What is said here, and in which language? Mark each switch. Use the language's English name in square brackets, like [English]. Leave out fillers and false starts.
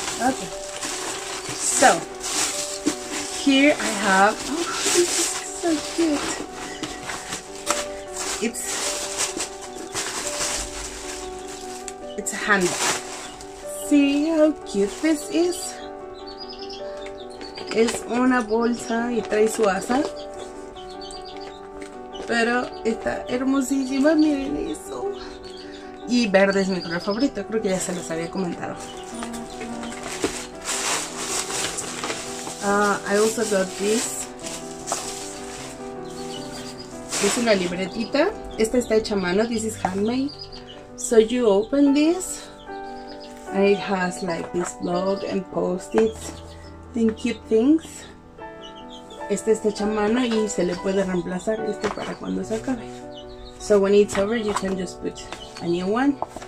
[English] Okay, so here I have, oh, this is so cute, it's a handbag. See how cute this is? [Spanish] Es una bolsa y trae su asa, pero está hermosísima, miren eso. Y verde es mi color favorito, creo que ya se los había comentado. [English] I also got this. [Spanish] Es una libretita. Esta está hecha a mano. [English] This is handmade. So you open this. And it has like this blog and post-its. And cute things. [Spanish] Esta está hecha a mano y se le puede reemplazar este para cuando se acabe. [English] So when it's over, you can just put a new one.